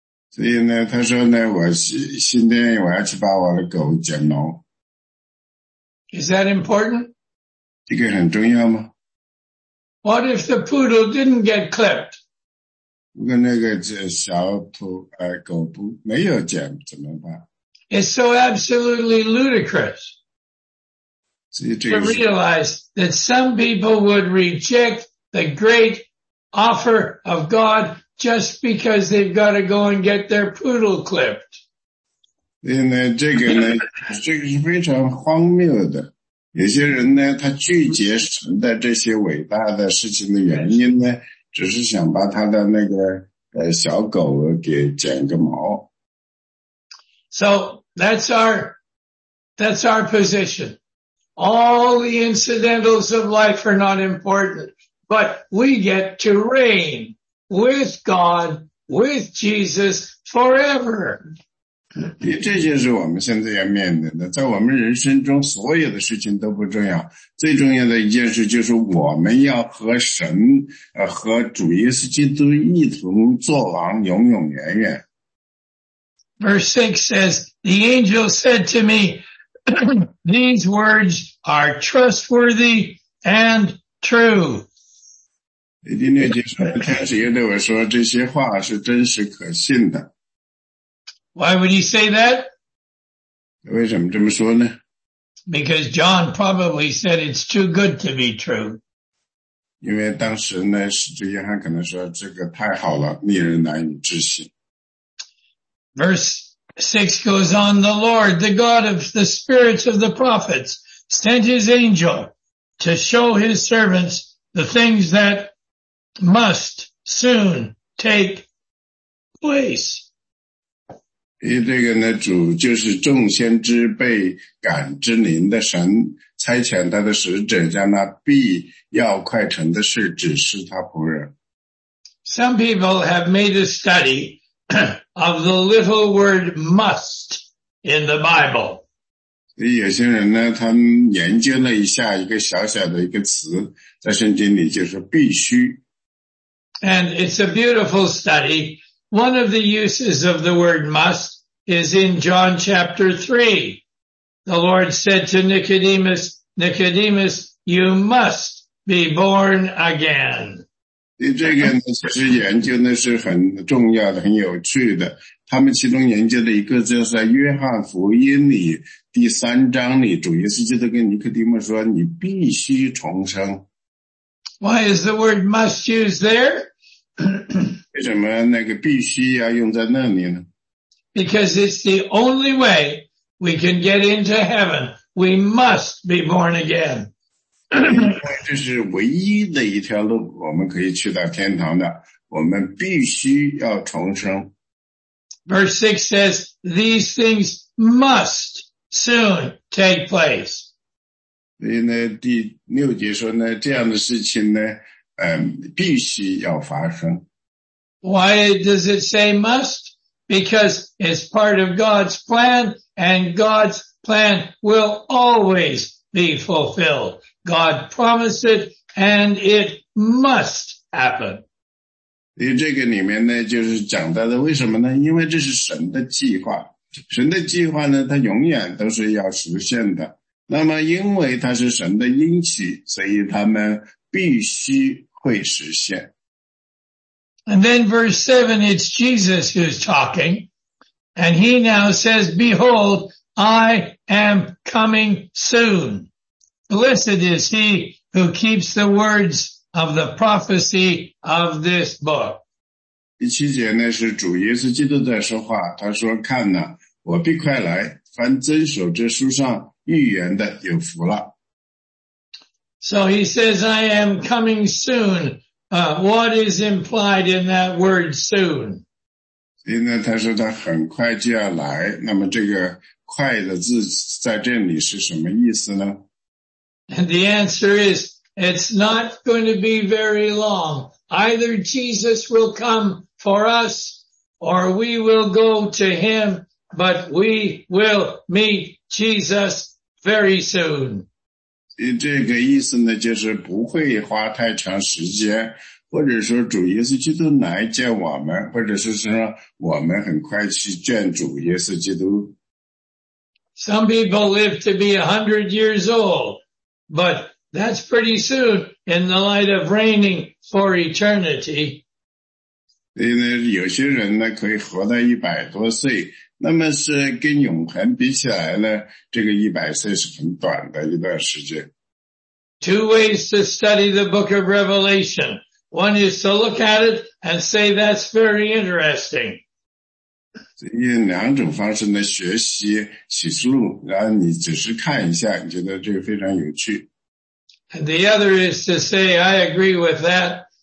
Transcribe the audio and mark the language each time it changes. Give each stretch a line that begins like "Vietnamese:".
Chinese: 所以呢，他说呢，我今天我要去把我的狗剪毛。
English: Is that important?
Chinese: 这个很重要吗？
English: What if the poodle didn't get clipped?
Chinese: 如果那个小兔狗不没有剪怎么办？
English: It's so absolutely ludicrous.
Chinese: 所以这个
English: to realize that some people would reject the great offer of God just because they've got to go and get their poodle clipped.
Chinese: 所以呢，这个呢，这个是非常荒谬的。有些人呢，他拒绝神的这些伟大的事情的原因呢，只是想把他的那个小狗给剪个毛。
English: So that's our position. All the incidentals of life are not important. But we get to reign with God, with Jesus forever.
Chinese: 这就是我们现在要面临的，在我们人生中所有的事情都不重要，最重要的一件事就是我们要和神和主耶稣基督一同作王，永永远远。
English: Verse 6 says, "The angel said to me, these words are trustworthy and true."
Chinese: 第六节说，天使又对我说，这些话是真实可信的。
English: Why would he say that?
Chinese: 为什么这么说呢？
English: Because John probably said it's too good to be true.
Chinese: 因为当时呢，使徒约翰可能说，这个太好了，令人难以置信。
English: Verse 6 goes on, "The Lord, the God of the spirits of the prophets, sent his angel to show his servants the things thatMust soon take place.
Chinese: 因为这个呢，主就是众先知被感知灵的神，差遣他的使者将那必要快成的事指示他仆人。
English: Some people have made a study of the little word must in the Bible.
Chinese: 所以有些人呢，他们研究了一下一个小小的一个词，在圣经里就是必须。
English: And it's a beautiful study. One of the uses of the word must is in John chapter 3. The Lord said to Nicodemus, "Nicodemus, you must be born again."
Chinese: 这个呢，其实研究呢是很重要的，很有趣的。他们其中研究的一个就是在约翰福音里第三章里主耶稣基督跟尼哥底母说你必须重生。
English: Why is the word must use there?
Chinese: 为什么那个必须要用在那里呢？
English: Because it's the only way we can get into heaven. We must be born again.
Chinese: 这是唯一的一条路我们可以去到天堂的。我们必须要重生。
English: Verse 6 says, these things must soon take place.
Chinese: 所以呢第六节说呢这样的事情呢必须要发生。
English: Why does it say must? Because it's part of God's plan, and God's plan will always be fulfilled. God promised it, and it must happen.
Chinese: 因为这个里面呢就是讲到的为什么呢因为这是神的计划。神的计划呢它永远都是要实现的。那么因为它是神的应许所以他们必须会实现。
English: And then verse 7, it's Jesus who's talking, and he now says, Behold, I am coming soon. Blessed is he who keeps the words of the prophecy of this book.
Chinese: 第七节呢是主耶稣基督在说话，他说看哪，我必快来，凡遵守这书上预言的有福了。
English: So he says, I am coming soon. What is implied in that word soon?
Chinese: 所以呢他说他很快就要来那么这个快的字在这里是什么意思呢
English: And the answer is, it's not going to be very long. Either Jesus will come for us or we will go to him, but we will meet Jesus very soon.
Chinese: 这个意思呢就是不会花太长时间或者说主耶稣基督来见我们或者是说我们很快去见主耶稣基督。
English: Some people live to be 100 years old, but that's pretty soon in the light of reigning for eternity.
Chinese: 有些人呢可以活到100多岁那么是跟永恒比起来呢这个100岁是很短的一段时间。
English: Two ways to study the book of Revelation. One is to look at it and say that's very interesting.
Chinese: 用两种方式呢学习启示录然后你只是看一下你觉得这个非常有趣。
English: And the other is to say, I agree with that.